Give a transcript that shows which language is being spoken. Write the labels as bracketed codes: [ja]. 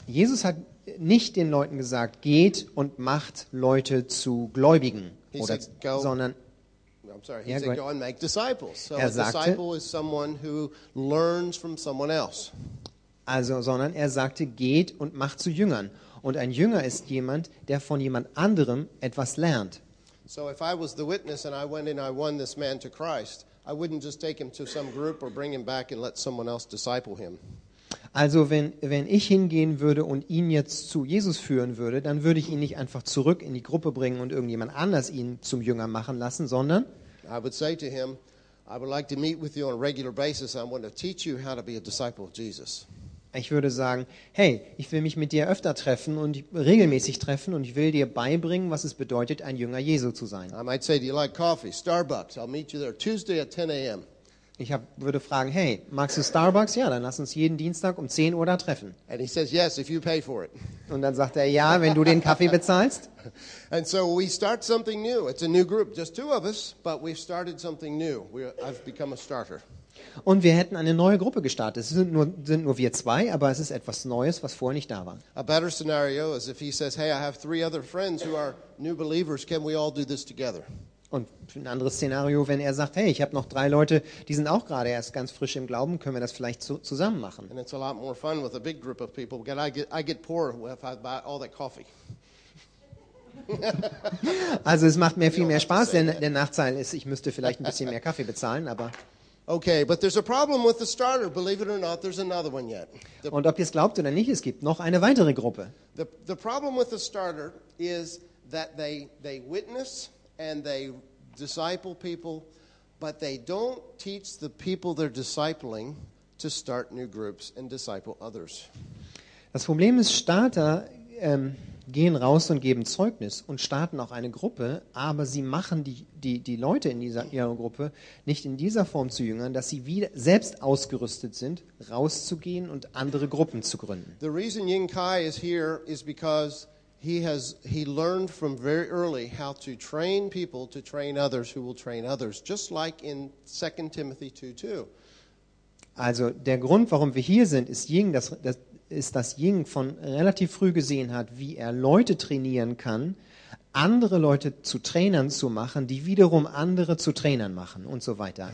[de] Jesus hat nicht den Leuten gesagt, geht und macht Leute zu Gläubigen, sondern er sagte, geht und macht zu Jüngern. Und ein Jünger ist jemand, der von jemand anderem etwas lernt. [en] So if I was the witness and I went and I won this man to Christ, I wouldn't just take him to some group or bring him back and let someone else disciple him. [de] Also wenn ich hingehen würde und ihn jetzt zu Jesus führen würde, dann würde ich ihn nicht einfach zurück in die Gruppe bringen und irgendjemand anders ihn zum Jünger machen lassen, sondern [en] I would say to him, I would like to meet with you on a regular basis. I want to teach you how to be a disciple of Jesus. [de] Ich würde sagen, hey, ich will mich mit dir öfter treffen und regelmäßig treffen und ich will dir beibringen, was es bedeutet, ein Jünger Jesu zu sein. [en] I might say, do you like coffee? Starbucks. I'll meet you there Tuesday at 10 a.m. [de] Würde fragen, hey, magst du Starbucks? Ja, dann lass uns jeden Dienstag um 10 Uhr da treffen. [en] And he says, yes, if you pay for it. [de] Und dann sagt er, ja, wenn du den Kaffee bezahlst. [en] And so we start something new. It's a new group, just two of us, but we've started something new. I've become a starter. [de] Und wir hätten eine neue Gruppe gestartet. Es sind nur wir zwei, aber es ist etwas Neues, was vorher nicht da war. [en] A better scenario is if he says, hey, I have three other friends who are new believers. Can we all do this together? [de] Und ein anderes Szenario, wenn er sagt, hey, ich habe noch drei Leute, die sind auch gerade erst ganz frisch im Glauben, können wir das vielleicht zusammen machen? [en] And it's a lot more fun with a big group of people, because I get poor if I buy all that coffee. [de] Also es macht mir viel mehr Spaß, denn der Nachteil ist, ich müsste vielleicht ein bisschen mehr Kaffee bezahlen, aber [en] okay, but there's a problem with the starter. Believe it or not, there's another one yet. [de] Und ob ihr es glaubt oder nicht, es gibt noch eine weitere Gruppe. [en] The problem with the starter is that they witness and they disciple people, but they don't teach the people they're discipling to start new groups and disciple others. [de] Das Problem ist, Starter gehen raus und geben Zeugnis und starten auch eine Gruppe, aber sie machen die Leute in ihrer Gruppe nicht in dieser Form zu Jüngern, dass sie wieder selbst ausgerüstet sind, rauszugehen und andere Gruppen zu gründen. [en] The reason Ying Kai is here is because he learned from very early how to train people to train others who will train others, just like in 2 Timothy 2:2. [de] Also der Grund, warum wir hier sind, ist, dass Ying von relativ früh gesehen hat, wie er Leute trainieren kann, andere Leute zu Trainern zu machen, die wiederum andere zu Trainern machen und so weiter.